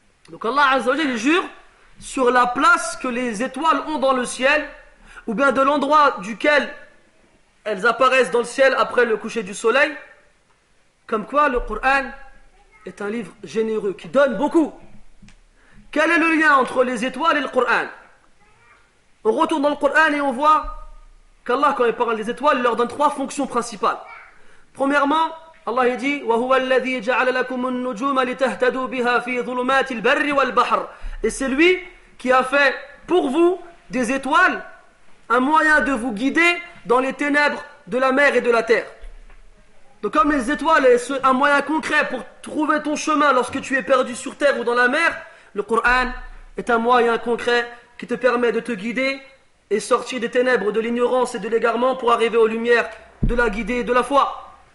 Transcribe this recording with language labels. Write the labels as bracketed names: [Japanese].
[French] Donc Allah Azza wa Jalla jure sur la place que les étoiles ont dans le ciel, ou bien de l'endroit duquel elles apparaissent dans le ciel après le coucher du soleil. Comme quoi le Coran est un livre généreux qui donne beaucoup. Quel est le lien entre les étoiles et le Coran? On retourne dans le Coran et on voit qu'Allah, quand il parle des étoiles, il leur donne trois fonctions principales. Premièrement, Allah il dit [Arabic] وَهُوَ الَّذِي جَعَلَ لَكُمُ النُّجُومَ لِتَهْتَدُوا بِهَا فِي ظُلُمَاتِ الْبَرِّ وَالْبَحْرِ. [French] Et c'est lui qui a fait pour vous des étoiles un moyen de vous guider dans les ténèbres de la mer et de la terre. Donc comme les étoiles sont un moyen concret pour trouver ton chemin lorsque tu es perdu sur terre ou dans la mer, le Coran est un moyen concret qui te permet de te guider et sortir des ténèbres, de l'ignorance et de l'égarement pour arriver aux lumières de la guidée et de la foi.